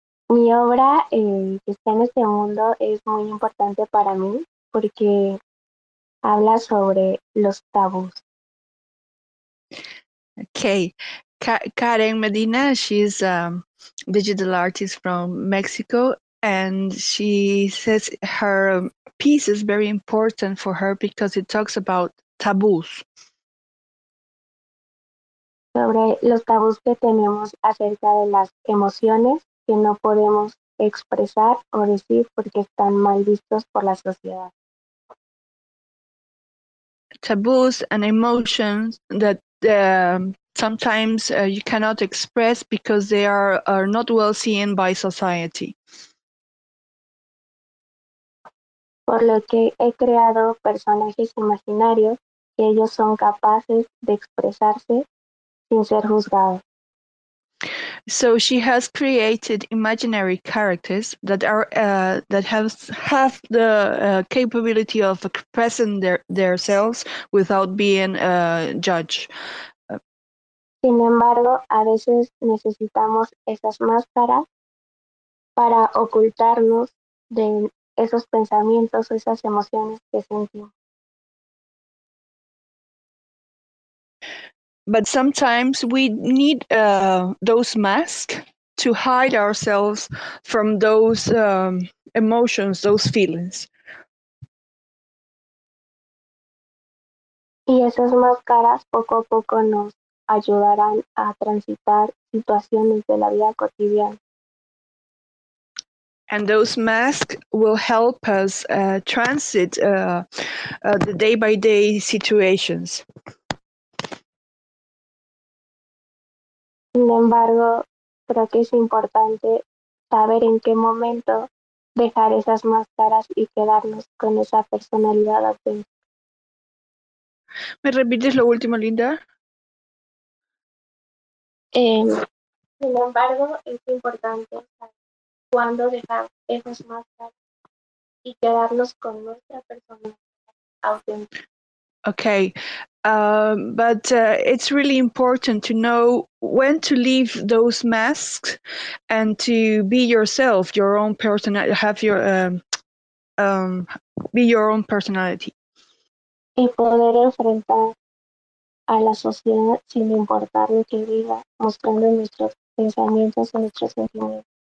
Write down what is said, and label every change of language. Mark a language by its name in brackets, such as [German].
[Spanish] Mi obra que está en este mundo es muy importante para mí porque habla sobre los tabús. [English] Okay. Karen Medina, she's a digital artist from Mexico, and she says her piece is very important for her because it talks about taboos. [Spanish] Sobre los tabús que tenemos acerca de las emociones que no podemos expresar o decir porque están mal vistos por la sociedad. [English] Taboos and emotions that sometimes you cannot express because they are not well seen by society. [Spanish] Por lo que he creado personajes imaginarios que ellos son capaces de expresarse sin ser juzgados. [English] So she has created imaginary characters that are that have the capability of expressing their selves without being a judge. [Spanish] Sin embargo, a veces necesitamos esas máscaras para ocultarnos de esos pensamientos o esas emociones que sentimos. [English] But sometimes we need those masks to hide ourselves from those emotions, those feelings. [Spanish] Y esas máscaras poco a poco nos ayudarán a transitar situaciones de la vida cotidiana. [English] And those masks will help us transit the day-by-day situations. [Spanish] Sin embargo, creo que es importante saber en qué momento dejar esas máscaras y quedarnos con esa personalidad auténtica. ¿Me repites lo último, Linda? Sin embargo, es importante saber cuándo dejar esas máscaras y quedarnos con nuestra personalidad auténtica. [English] Okay, but it's really important to know when to leave those masks and to be yourself, your own personality, have your be your own personality. [Spanish] Y poder enfrentar a la sociedad sin importar lo que diga, mostrando nuestros pensamientos y nuestros sentimientos.